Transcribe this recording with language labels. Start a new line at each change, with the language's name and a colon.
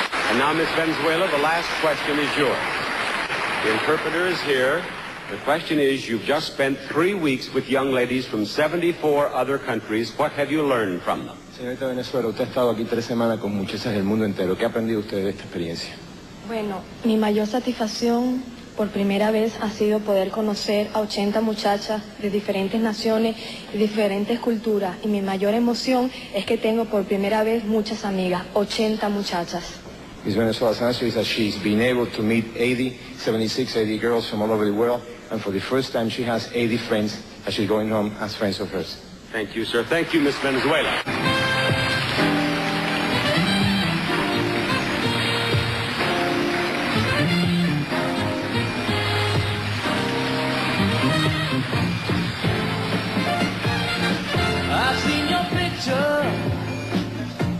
English: And now, Miss Venezuela, the last question is yours. The interpreter is here. The question is, you've just spent 3 weeks with young ladies from 74 other countries. What have you learned from them?
Spanish: Señorita Venezuela, usted ha estado aquí 3 semanas con muchachas del mundo entero. ¿Qué ha aprendido usted de esta experiencia? Bueno, mi mayor satisfacción por primera vez ha sido poder conocer a 80 muchachas de diferentes naciones y diferentes culturas. Y mi mayor emoción es que tengo por primera vez muchas amigas, 80 muchachas.
English: Miss Venezuela's answer is that she's been able to meet 76, 80 girls from all over the world, and for the first time she has 80 friends as she's going home as friends of hers. Thank you, sir. Thank you, Miss Venezuela. I've seen your picture